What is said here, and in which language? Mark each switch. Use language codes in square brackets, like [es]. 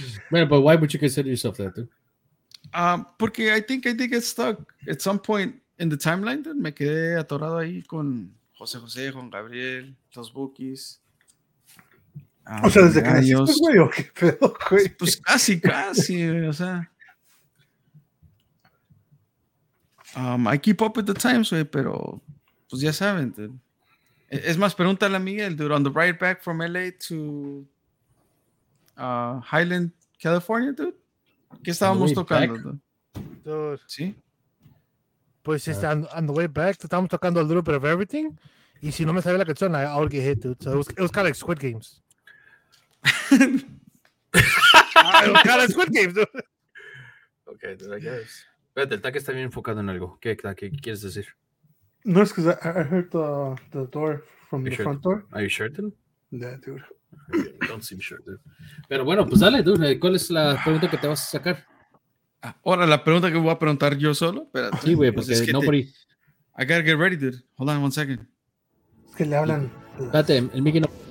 [en] Man, but why would you consider yourself that, dude? [es] Porque [en] I think it's stuck at some point in the timeline, dude. [es] Me quedé atorado ahí con José, Juan Gabriel, los Bookies. O sea, desde que naciste, güey, ¿o qué pedo, güey? Pues casi, güey, o sea. [en] I keep up with the times, güey, [es] pero pues ya saben, [en] dude. [es] Es más, pregúntale a Miguel, [en] dude, on the ride back from LA to Highland, California, dude. [es] ¿Qué estábamos tocando, [en] dude? [es] ¿Sí? Pues, [en] on the way back, [es] estábamos tocando [en] a little bit of everything, [es] y si no me sabía la canción, [en] I would get hit, dude. So it was kind of like Squid Games. It was kind of like Squid Games, dude. Okay, dude, I guess. [es] Espérate, el taque está bien enfocado en algo. ¿Qué quieres decir? No, es que [en] I heard the door from the front door. Are you sure, dude? Yeah, dude. Okay, don't seem sure, dude. [es] Pero bueno, pues dale, [en] dude. [es] ¿Cuál es la pregunta que te vas a sacar? Ahora, la pregunta que voy a preguntar yo solo. Espérate. Sí, güey, porque es que [en] nobody... I gotta get ready, dude. Hold on one second. [es] Es que le hablan... Espérate, el Mickey no...